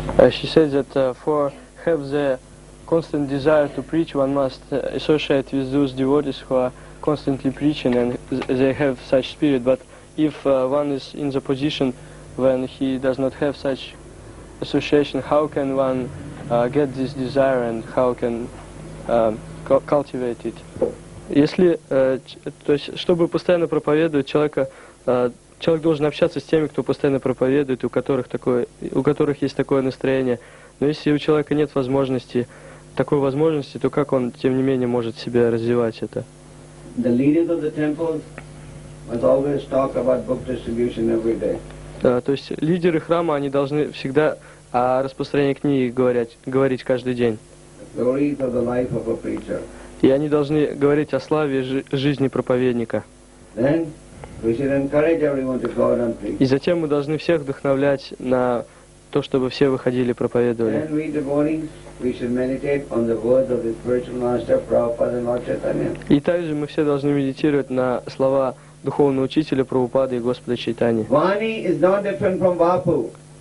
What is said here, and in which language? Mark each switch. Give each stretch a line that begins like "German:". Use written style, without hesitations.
English: She said that for have the constant desire to preach, one must associate with those devotees who are constantly preaching and they have such spirit. But if one is in the position when he does not have such association, how can one get this desire and how can cultivate it?
Russian: Если, то есть, чтобы постоянно проповедовать человека, человек должен общаться с теми, кто постоянно проповедует, у которых есть такое настроение. Но если у человека нет возможности, такой возможности, то как он, тем не менее, может себя развивать это?
English: The leaders of the temples must always talk about book distribution every day.
Russian: То есть лидеры храма, они должны всегда о распространении книги говорить каждый день.
English: Glories of the life of a preacher.
Russian: И они должны говорить о славе жизни проповедника.
English: Then we should encourage everyone to go out and preach.
Russian: И затем мы должны всех вдохновлять на то, чтобы все выходили и проповедовали.
English: Then we devotees, we should meditate on the words of the spiritual master, Prabhupada and Lord Chaitanya.
Russian: И также мы все должны медитировать на слова духовного учителя Прабхупады и Господа Чайтани.
English: Vani is not different from Vapu.